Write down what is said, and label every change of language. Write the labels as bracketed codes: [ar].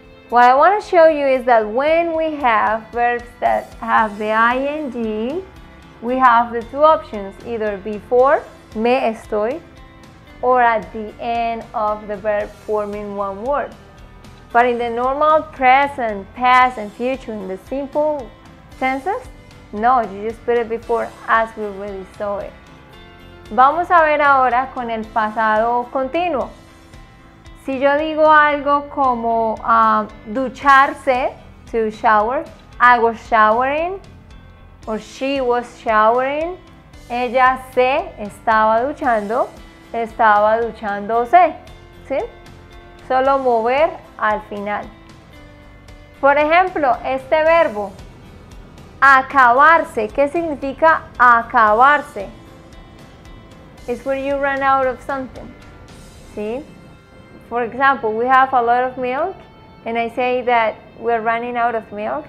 [en] What I want to show you is that when we have verbs that have the ing, we have the two options, either before, me estoy, or at the end of the verb forming one word. But in the normal present, past, and future, in the simple tenses, no, you just put it before as we really saw it. [es] Vamos a ver ahora con el pasado continuo. Si yo digo algo como ducharse, [en] to shower, I was showering, or she was showering, [es] ella se estaba duchándose, ¿sí? Solo mover al final. Por ejemplo, este verbo, acabarse, ¿qué significa acabarse? [en] It's when you run out of something. See? For example, we have a lot of milk, and I say that we're running out of milk.